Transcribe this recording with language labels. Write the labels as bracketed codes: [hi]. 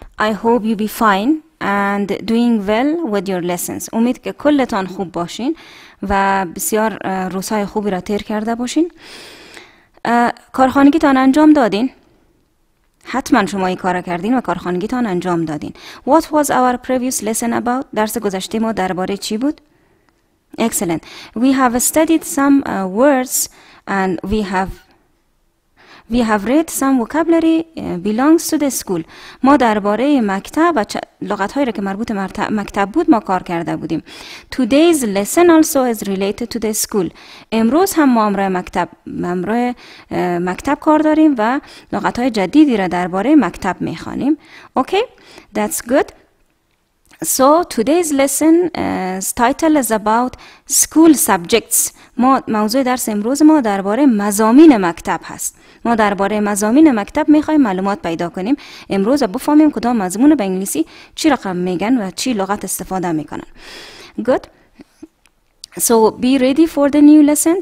[en] I hope you be fine and doing well with your lessons. [fa] امید که کلتان خوب باشین و بسیار روزهای خوبی را تیر کرده باشین. کارخانگیتان انجام دادین؟ حتما شما این کار را کردین و کارخانگیتان انجام دادین. [en] What was our previous lesson about? [fa] درس گذشته ما درباره چی بود؟ [en] Excellent. We have studied some words and we have read some vocabulary belongs to the school. [fa] ما درباره مکتب و لغت‌هایی را که مربوط مکتب بود ما کار کرده بودیم. [en] Today's lesson also is related to the school. [fa] امروز هم ما امروی مکتب امروی مکتب کار داریم و لغت‌های جدیدی را درباره مکتب می‌خوانیم. [en] Okay, that's good. So today's lesson title is about school subjects. [fa] ما موضوع درس امروز ما درباره مضامین مکتب هست. ما درباره مضامین مکتب میخوایم معلومات پیدا کنیم. امروز بفهمیم کدام مضمون به انگلیسی چی رقم میگن و چی لغت استفاده میکنن. [en] Good. So be ready for the new lesson.